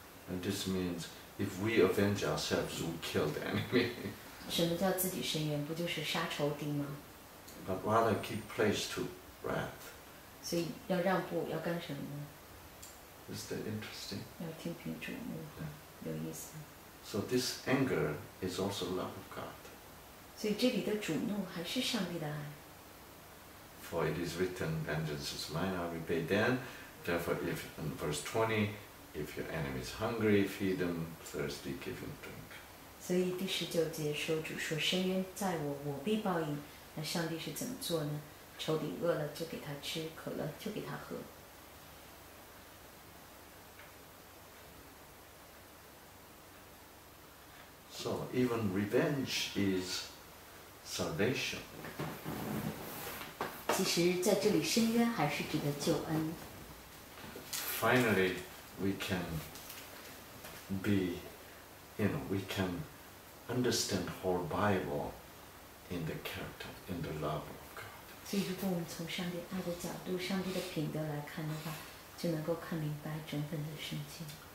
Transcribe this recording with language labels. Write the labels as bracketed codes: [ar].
[en] And this means if we avenge ourselves, we kill the enemy. [zh] 什么叫自己伸冤?不就是杀仇敌吗? [en] But rather give place to wrath. [zh] 所以要让步, 要干什么呢? [en] Is that interesting? [zh] 要听凭主怒, yeah. 有意思. [en] So this anger is also love of God. [zh] 所以这里的主怒还是上帝的爱。 [en] For it is written, vengeance is mine, I repay them. Therefore, if in verse 20, if your enemy is hungry, feed him, thirsty, give him drink. [zh] 所以第十九节说，主说，伸冤在我，我必报应。那上帝是怎么做呢？仇敌饿了就给他吃，渴了就给他喝。 [en] So even revenge is salvation. [zh] 其实在这里伸冤还是指的救恩。 [en] Finally, we can be, you know, we can understand whole Bible in the character, in the love of God. [zh] 所以如果我们从上帝爱的角度，上帝的品德来看的话，就能够看明白整本的圣经。